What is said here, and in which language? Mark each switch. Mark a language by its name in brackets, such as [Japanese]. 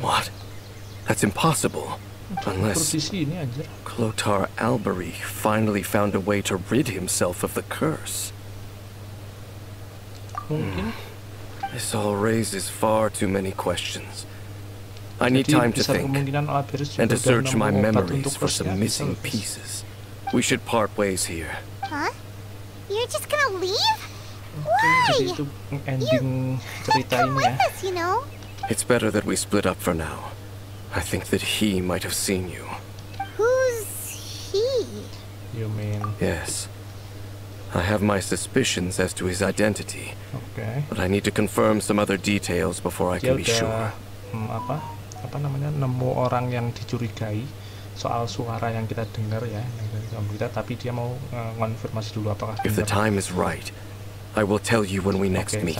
[English] What? That's impossible. Unless Clotar Alberich finally found a way to rid himself of the curse. [Indonesian] Mungkin. [English] This all raises far too many questions. [Indonesian] Jadi, [English] I need time to think and to search my memories for some missing pieces. We should part ways here. Huh? You're just gonna leave? [Indonesian] Jadi itu ending cerita ini ya. [English] It's better that we split up for now. I think that he might have seen you. Who's he? You mean? Yes. I have my suspicions as to his identity. Okay. But I need to confirm some other details before I can be sure. [Indonesian] Apa namanya, nemu orang yang dicurigai. soal suara yang kita dengar ya, kita, tapi dia mau konfirmasi dulu apakah [English] if the time is right, I will tell you when we next meet.